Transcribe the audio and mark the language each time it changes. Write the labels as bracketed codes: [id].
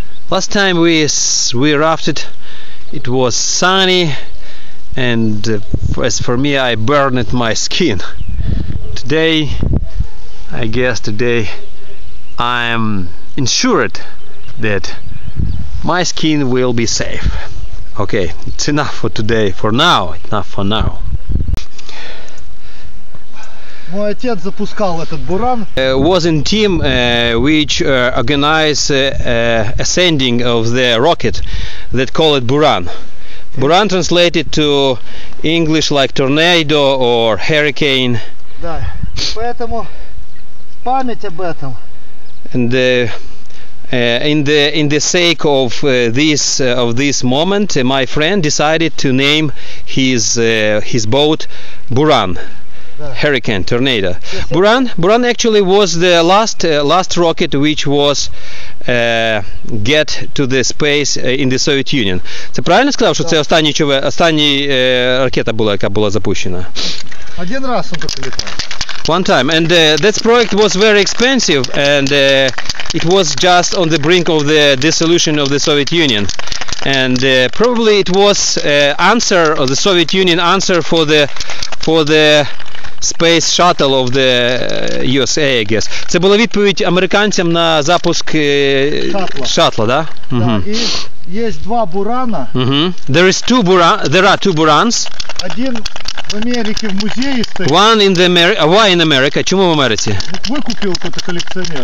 [en] Last time we rafted, it was sunny, and as for me, I burned my skin. Today, I guess today, I am insured that my skin will be safe. Okay, it's enough for today, for now, enough for now. [ru] Мой отец запускал этот буран. [en] Was in team which organized ascending of the rocket that call it буран. Буран translated to English like tornado or hurricane. [ru] Да. Поэтому память об этом. [en] And in the sake of this moment, my friend decided to name his boat буран. Hurricane, tornado. Буран actually was the last rocket which was get to the space in the Soviet Union. [uk] Це правильно сказав, що це останній ракета була, яка була запущена. [ru] Один раз он только летал. [en] One time, and that project was very expensive, and it was just on the brink of the dissolution of the Soviet Union. And probably it was answer of the Soviet Union answer for the Space Shuttle of the USA, I guess. [uk] Це була відповідь американцям на запуск шатла, да? Да, є два бурана. [en] There is two буран, there are two burans. [uk] Один в Америці в музеї стоїть. [en] One in the America. Why in America? [uk] Чому в Америці? Викупив якийсь колекціонер.